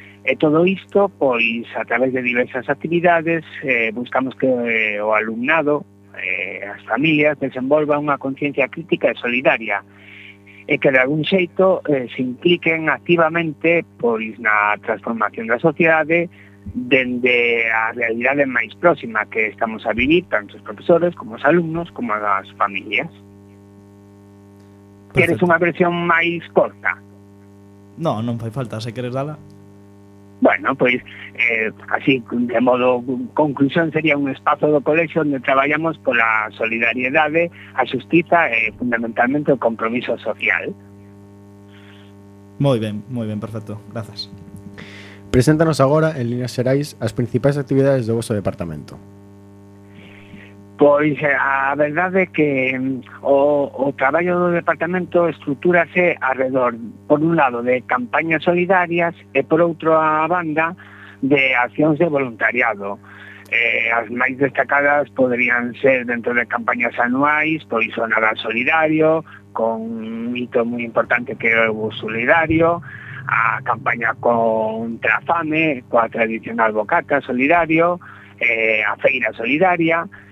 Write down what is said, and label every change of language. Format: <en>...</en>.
<gl>E todo isto, pois, a través de diversas actividades, buscamos que o alumnado, as familias, desenvolvan unha conciencia crítica e solidaria, e que de algún xeito se impliquen activamente, pois, na transformación da sociedade dende a realidade máis próxima que estamos a vivir, tanto os profesores como os alumnos, como as familias.</gl> <es>Perfecto. ¿Quieres una versión más corta? No, no me hace falta, si quieres darla. Bueno, pues así, de modo conclusión, sería un espacio de colegio donde trabajamos por la solidaridad, la justicia y fundamentalmente el compromiso social. Muy bien, perfecto, gracias. Preséntanos ahora, en líneas xerais, las principales actividades de vuestro departamento.</es> <gl>Pois a verdade é que o traballo do departamento estrutúrase alrededor, por un lado, de campañas solidarias e por outro a banda de accións de voluntariado. As máis destacadas poderían ser dentro de campañas anuais, pois o Nadal Solidario, con un hito moi importante que é o Solidario, a campaña contra a fame, coa tradicional bocata solidario, a feira solidaria.</gl>